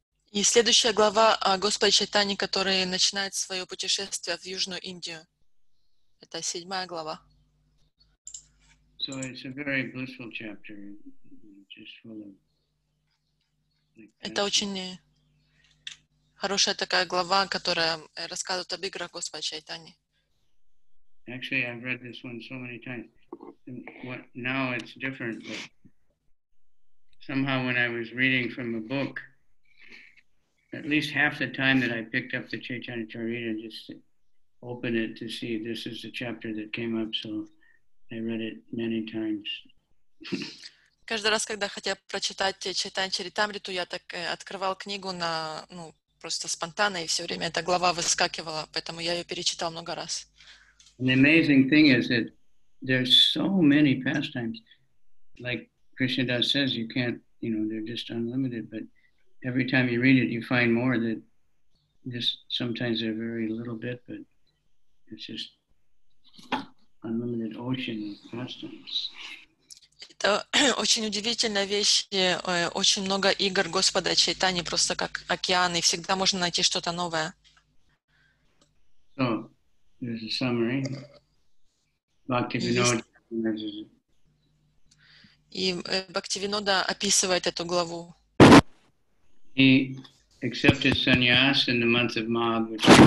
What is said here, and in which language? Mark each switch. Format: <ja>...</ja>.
<ru>И следующая глава о Господе Чайтане, который начинает свое путешествие в Южную Индию. Это седьмая глава.</ru> <en>So it's a very blissful chapter, just full of, like,</en> <ru>это очень хорошая такая глава, которая рассказывает об играх Господа Чайтане.</ru> <en>Actually, I've read this one so many times. Now it's different, but somehow when I was reading from a book, at least half the time that I picked up the Chaitanya Charita, just opened it to see this is the chapter that came up, so I read it many times.</en> <ru>Каждый раз, когда хотел прочитать Чайтанья Чаритамриту, я так открывал книгу на, ну, просто спонтанно, и все время эта глава выскакивала, поэтому я ее перечитал много раз.</ru> <en>The amazing thing is that there's so many pastimes. Like Krishna Das says, you can't, you know, they're just unlimited, but every time you read it, you find more that just sometimes they're very little bit, but it's just unlimited ocean of pastimes.</en> <ru>Это очень удивительная вещь. Очень много игр Господа Чайтани, просто как океан, и всегда можно найти что-то новое.</ru> <en>So, there's a summary. Бхактивинода.</en> <ru>И Бхактивинода описывает эту главу.</ru> <en>He accepted sannyas in the month of Magh.</en>